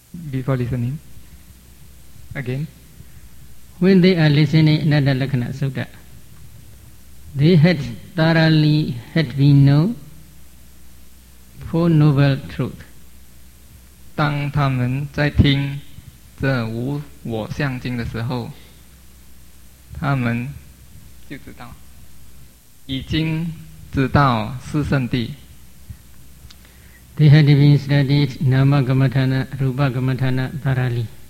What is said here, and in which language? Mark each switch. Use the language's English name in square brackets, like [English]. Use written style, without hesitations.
[English] Before listening again, when they are listening Anattalakkhana Sutta,They had thoroughly had been known Four Noble Truths. [Chinese] 当他们在听这无我相经的时候，他们就知道，已经知道四圣谛。 [English] They had been studied Nama Gamatana, Rupa Gamatana thoroughly.